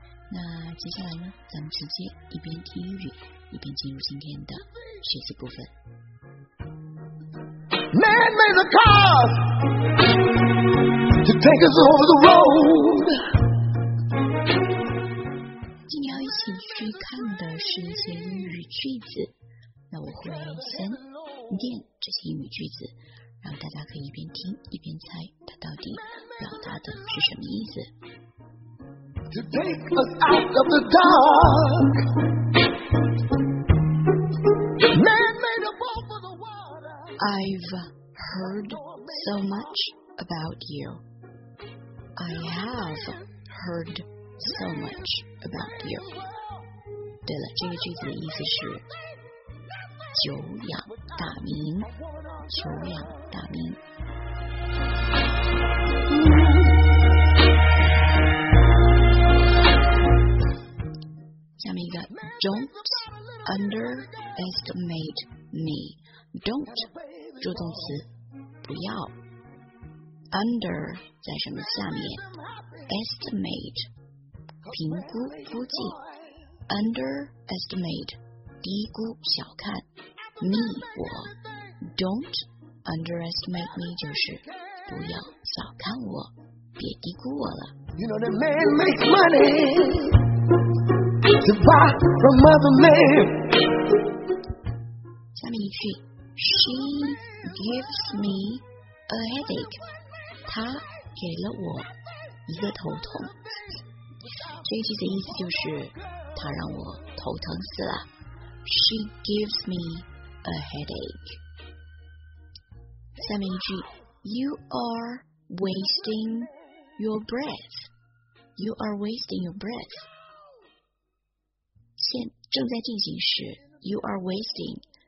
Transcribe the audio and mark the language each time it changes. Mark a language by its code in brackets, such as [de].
[zh] 那接下来呢，咱们直接一边听英语，一边进入今天的学习部分。 [en] Man made the cars to take us over the road。 [zh] 今天要一起去看的是一些英语句子，那我会先念这些英语句子，让大家可以一边听一边猜它到底表达的是什么意思。 [en] To take us out of the dark. I've heard so much about you. I have heard so much about you. [zh] 对了，这个句子的意思是久仰大名，久仰大名。下面一个 [en] Don't underestimate me. Don't. [zh] 助动词不要 under 在什么下面 estimate 评估估计 underestimate 低估小看 me 我 [en] don't underestimate me [zh] 就是不要小看我别低估我了 [en] You know that man makes money to buy from other men [zh] 下面一句 [en] She gives me a headache. [zh] 她给了我一个头痛。这一句的意思就是她让我头疼死了。 [en] She gives me a headache. [zh] 下面一句 [en] You are wasting your breath. You are wasting your breath. [zh] 正在进行时 [en] You are wasting.